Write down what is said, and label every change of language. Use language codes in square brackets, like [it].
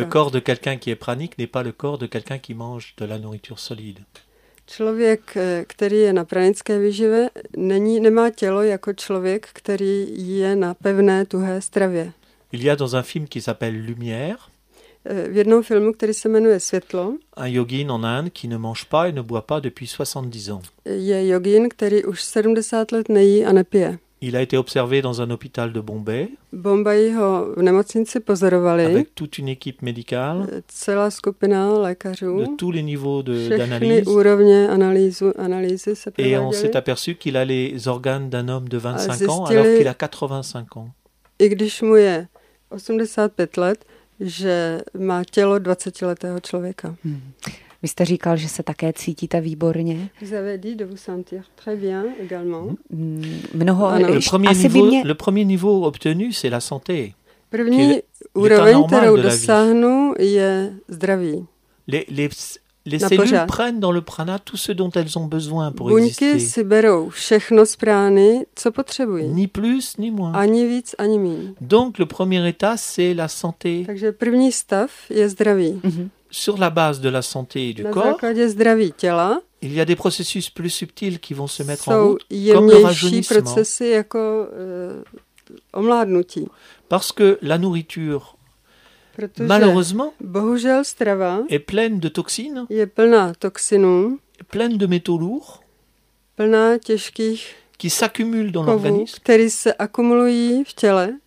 [fr] Le corps de quelqu'un qui est pranique n'est pas le corps de quelqu'un qui mange de la nourriture solide. [cs] Člověk, který je na pranické výživě, nemá tělo jako člověk, který je na pevné, tuhé stravě. [fr] Il y a dans un film qui s'appelle Lumière. [cs] V jednom filmu, který se jmenuje Světlo. [fr] Un yogin en Inde qui ne mange pas et ne boit pas depuis 70 ans. [cs] Je yogin, který už 70 let nejí a nepije. [fr] Il a été observé dans un hôpital de Bombay. [cs] Bombay ho v nemocnici pozorovali. [fr] Avec toute une équipe médicale. [cs] Celá skupina lékařů. [fr] De tous les niveaux de d'analyse. [cs] Všechny úrovně analýzy se prováděly. [fr] Et on s'est aperçu qu'il a les organes d'un homme de 25 ans alors qu'il a 85 ans. [cs] I když mu je 85 let, že má tělo 20letého člověka. Vy jste říkal, že se také cítíte výborně. [fr] Vous avez dit de vous sentir très bien également. [cs] Mnoho, [fr] le premier niveau obtenu, c'est la santé. [cs] První úroveň, kterou dosáhnu, je zdraví. [fr] Les cellules prennent dans le prana tout ce dont elles ont besoin pour [cs] buňky [fr] exister. [cs] Buňky si berou všechno z prány, co potřebují. [fr] Ni plus, ni moins. [cs] Ani víc, ani míň. [fr] Donc le premier état, c'est la santé. [cs] Takže první stav je zdraví. Mm-hmm. [fr] Sur la base de la santé et du corps, [cs] zdraví těla, [fr] il y a des processus plus subtils qui vont se mettre en route, comme le rajeunissement. [cs] Procesy jako, omládnutí. [fr] Parce que la nourriture, [cs] protože, [fr] malheureusement, [cs] bohužel, strava [fr] est pleine de toxines, [cs] je plná toxinů, [fr] pleine de métaux lourds, [cs] plná těžkých [fr] qui s'accumulent dans l'organisme, [cs] které se akumulují v těle,